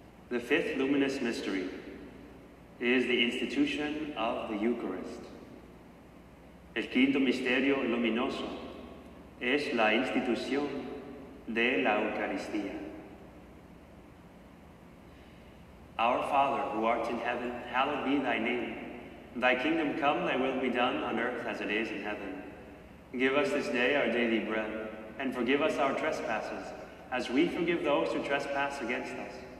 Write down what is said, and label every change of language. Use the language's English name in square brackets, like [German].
[English] The fifth luminous mystery is the institution of the Eucharist. [Spanish] El quinto misterio luminoso es la institución de la Eucaristía. [English] Our Father, who art in heaven, hallowed be thy name. Thy kingdom come, thy will be done on earth as it is in heaven. Give us this day our daily bread, and forgive us our trespasses, as we forgive those who trespass against us.